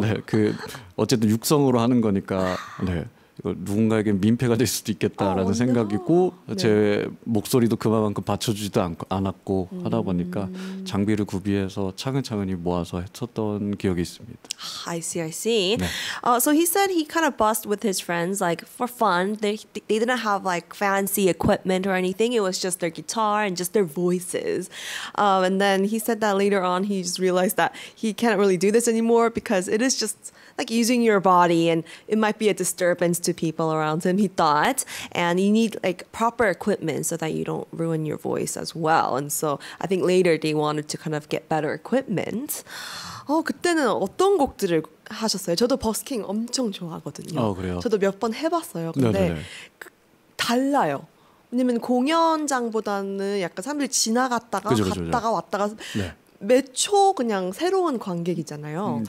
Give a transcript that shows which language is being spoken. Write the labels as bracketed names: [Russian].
[Korean] 네 그 어쨌든 육성으로 하는 거니까 네. 누군가에게 민폐가 될 수도 있겠다라는 생각이고 네. 제 목소리도 그만큼 받쳐주지도 않았고 하다 보니까 장비를 구비해서 차근차근히 모아서 했었던 기억이 있습니다. [English] I see, I see. 네. So he said he kind of bust with his friends like for fun. They didn't have like fancy equipment or anything. It was just their guitar and just their voices. And then he said that later on he just realized that he can't really do this anymore because it is just like using your body and it might be a disturbance to people around him, he thought. And you need like proper equipment so that you don't ruin your voice as well. And so I think later they wanted to kind of get better equipment. [Korean] 그때는 어떤 곡들을 하셨어요? 저도 버스킹 엄청 좋아하거든요. 그래요? 저도 몇 번 해봤어요. 근데 달라요. 왜냐면 공연장보다는 약간 사람들이 지나갔다가 갔다가 왔다가 네. 몇 초 그냥 새로운 관객이잖아요.